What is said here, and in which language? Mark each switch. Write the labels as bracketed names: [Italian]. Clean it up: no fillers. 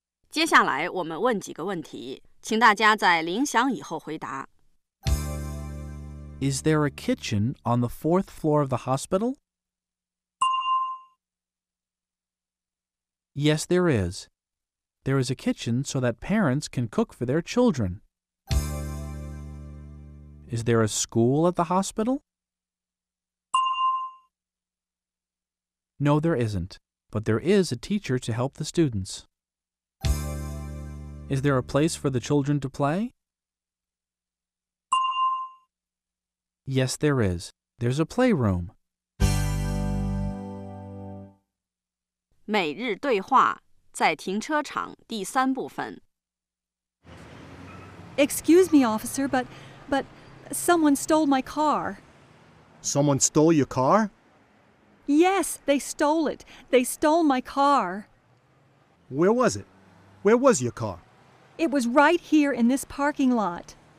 [Chinese] 接下来我们问几个问题。请大家在铃响以后回答。 [English] Is there a kitchen on the fourth floor of the hospital? Yes, there is. There is a kitchen so that parents can cook for their children. Is there a school at the hospital? No, there isn't. But there is a teacher to help the students. Is there a place for the children to play? Yes, there is. There's a playroom. [Chinese] 每日对话，在停车场第三部分。 [English] Excuse me, officer, but someone stole my car. Someone stole your car? Yes, they stole it. They stole my car. Where was it? Where was your car? It was right here in this parking lot.